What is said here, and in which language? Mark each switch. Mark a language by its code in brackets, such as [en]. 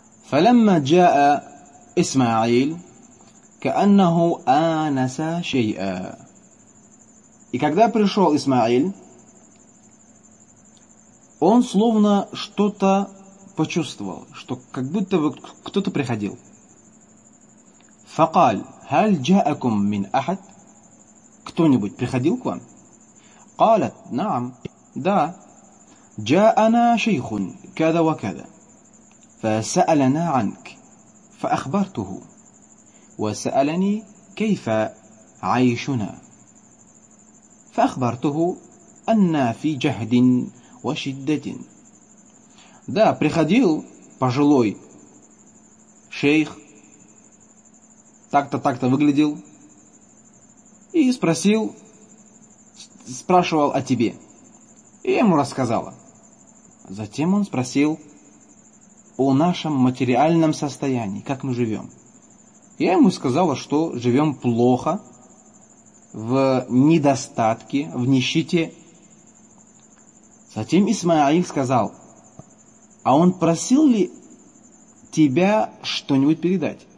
[ar] فَلَمَّا جَاءَ إِسْمَعِيلُ كَأَنَّهُ آنَسَ شَيْئًا [ru] И когда пришел Исмаиль, он словно что-то почувствовал, что как будто бы кто-то приходил. [ar] فَقَالْ هَلْ جَاءَكُمْ مِنْ أَحَدْ [ru] Кто-нибудь приходил к вам? [ar] قَالَتْ نَعَمْ [ru] Да. [ar] جَاءَنَا شَيْخٌ كَذَا وَكَذَا فسألنا عنك فأخبرته وسألني كيف عيشنا فأخبرته أن في جهد وشدة [ru] Да, приходил пожилой шейх, так-то выглядел, и спрашивал о тебе. И ему рассказала. Затем он спросил о нашем материальном состоянии, как мы живем. Я ему сказала, что живем плохо, в недостатке, в нищете. Затем Исмаиль сказал, а он просил ли тебя что-нибудь передать?